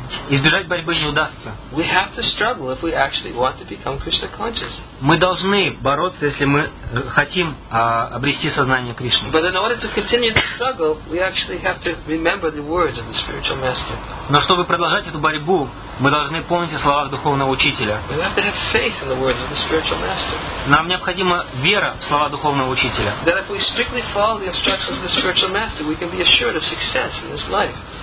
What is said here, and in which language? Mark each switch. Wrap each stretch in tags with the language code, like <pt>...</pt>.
<ru>Избежать борьбы не удастся.</ru> <en>We have to struggle if we actually want to become Krishna conscious.</en> <ru>Мы должны бороться, если мы хотим обрести сознание Кришны.</ru> <en>But in order to continue the struggle, we actually have to remember the words of the spiritual master.</en> <ru>Но чтобы продолжать эту борьбу, мы должны помнить о словах духовного учителя.</ru> <en>We have to have faith in the words of the spiritual master.</en> <ru>Нам необходима вера в слова духовного учителя.</ru> <en>That if we strictly follow the instructions of the spiritual master, we can be assured of success in this life.</en>